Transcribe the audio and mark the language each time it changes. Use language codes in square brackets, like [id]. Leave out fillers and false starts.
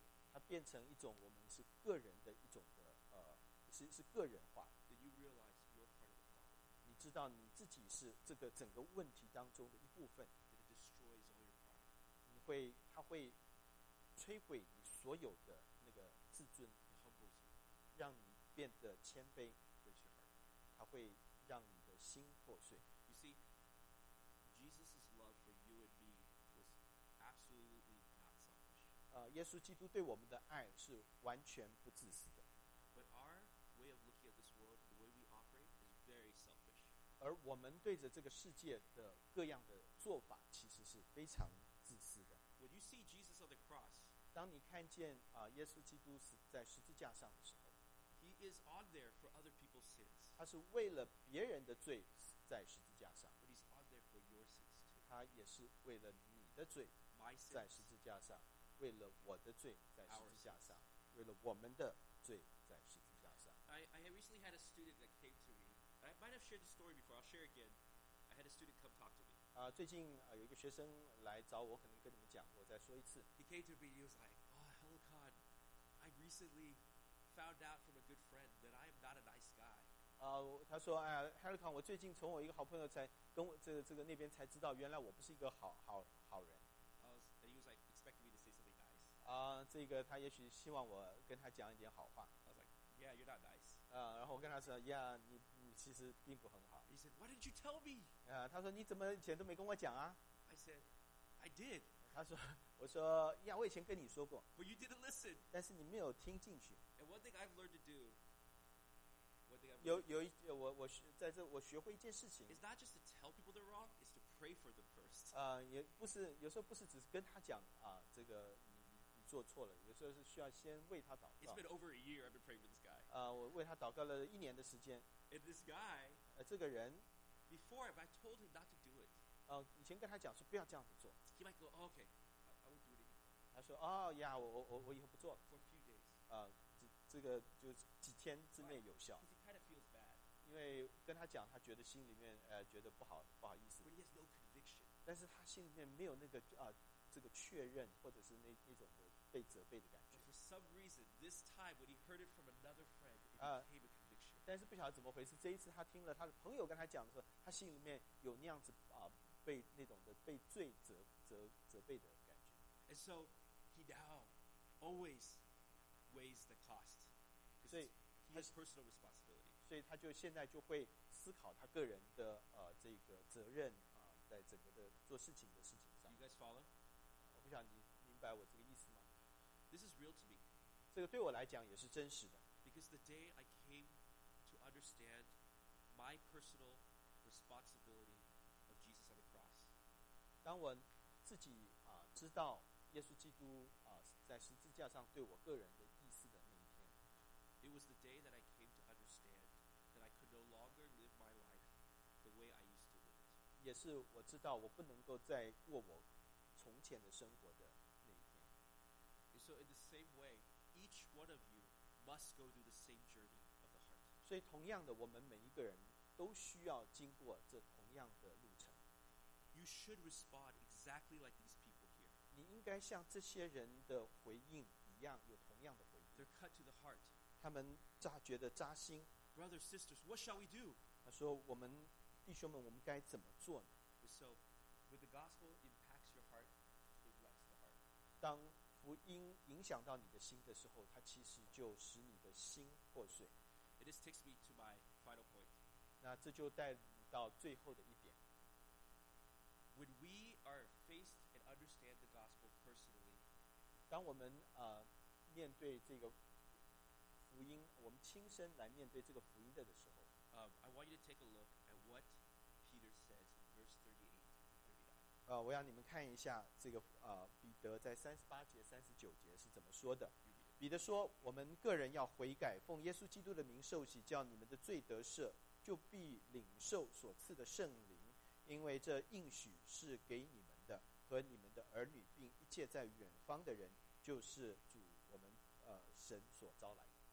[zh] 它变成一种我们是个人的一种的是个人化。 [en] Then you realize you're part of the problem. [zh] 你知道你自己是这个整个问题当中的一部分。 [en] It destroys all your pride. [zh] 它会摧毁你所有的那个自尊。 [en] It humbles you. [zh] 让你变得谦卑。 [en] Breaks your heart. [zh] 它会让你的心破碎。 [en] You see, Jesus' love for you and me was absolutely not selfish. [zh] 耶稣基督对我们的爱是完全不自私的。 [en] But our way of looking at this world, the way we operate, is very selfish. [zh] 而我们对着这个世界的各样的做法，其实是非常自私的。 [en] When you see Jesus on the cross, [zh] 当你看见耶稣基督死在十字架上的时候， [en] He is on there for other people's sins. [zh] 他是为了别人的罪在十字架上。 [en] But he's on there for your sins too. [zh] 他也是为了你的罪在十字架上， [en] My sins. [zh] 为了我的罪在十字架上， [en] Our sins. [zh] 为了我们的罪在十字架上。 [en] I recently had a student that came to me. I might have shared the story before. I'll share again. I had a student come talk to me. [zh] 最近有一个学生来找我，可能跟你们讲，我再说一次。 [en] He came to me. He was like, "Oh, Helicon, I recently found out from a good friend that I am not a nice guy." [zh] 他说，Helicon, 我最近从我一个好朋友才跟我这个那边才知道，原来我不是一个好人。 [en] And he was like expecting me to say something nice. [zh] 这个他也许希望我跟他讲一点好话。 [en] Yeah, you're not nice. [zh] 然后我跟他说 ，Yeah, 你其实并不很好。 [en] He said, "Why didn't you tell me?" [zh] 他说你怎么以前都没跟我讲啊 [en] ？I said, "I did." [zh] 他说，我说 ，Yeah, 我以前跟你说过。 [en] But you didn't listen. [zh] 但是你没有听进去。 [en] And one thing I've learned to do. [zh] 我学会一件事情。 [en] It's not just to tell people they're wrong; it's to pray for them first. [zh] 也不是有时候不是只是跟他讲这个。做错了，有时候是需要先为他祷告。 [en] It's been over a year I've been praying for this guy. [zh] 我为他祷告了一年的时间。 [en] And this guy, [zh] 这个人 [en] before if I told him not to do it, [zh] 以前跟他讲说不要这样子做。 [en] He might go, oh, okay, I won't do it anymore. [zh] 他说我以后不做了。 [en] For a few days. [zh] 这个就几天之内有效。 [en] Because he kind of feels bad. [zh] 因为跟他讲，他觉得心里面觉得不好意思。 [en] But he has no conviction. [zh] 但是他心里面没有那个这个确认，或者是那种的被责备的感觉。 [en] For some reason, this time when he heard it from another friend, it became a conviction. [zh] 但是不晓得怎么回事，这一次他听了他的朋友跟他讲的时候，他心里面有那样子啊，被那种的被罪责备的感觉。 [en] And so he now always weighs the cost. [zh] 所以 [en] he has personal responsibility. [zh] 所以他就现在就会思考他个人的这个责任啊，在整个的做事情的事情上。 [en] You guys follow? [zh] 我不晓得你明白我这个意思吗？ [en] This is real to me. [zh] 这个对我来讲也是真实的。 [en] Because the day I came to understand my personal responsibility of Jesus on the cross. [zh] 当我自己知道耶稣基督在十字架上对我个人的意思的那一天。 [en] It was the day that I came to understand that I could no longer live my life the way I used to live it. [zh] 也是我知道我不能够再过我从前的生活的。 [en] So in the same way, each one of you must go through the same journey of the heart. [zh] 所以同样的，我们每一个人都需要经过这同样的路程。 [en] You should respond exactly like these people here. [zh] 你应该像这些人的回应一样，有同样的回应。 [en] They're cut to the heart. [zh] 他们觉得扎心。 [en] Brothers, sisters, what shall we do? [zh] 他说：“我们弟兄们，我们该怎么做呢？” [en] So, when the gospel impacts your heart, it wrecks the heart. [zh] 当福音影响到你的心的时候，它其实就使你的心破碎。 [en] It just takes me to my final point. [zh] 那这就带你到最后的一点。 [en] When we are faced and understand the gospel personally, [zh] 当我们面对这个福音，我们亲身来面对这个福音的时候， [en] I want you to take a look at what Peter says in verse 38. [zh] 我要你们看一下这个彼得在三十八节三十九节是怎么说的。彼得说，我们个人要悔改，奉耶稣基督的名受洗，叫你们的罪得赦，就必领受所赐的圣灵，因为这应许是给你们的和你们的儿女，并一切在远方的人，就是主我们神所招来的。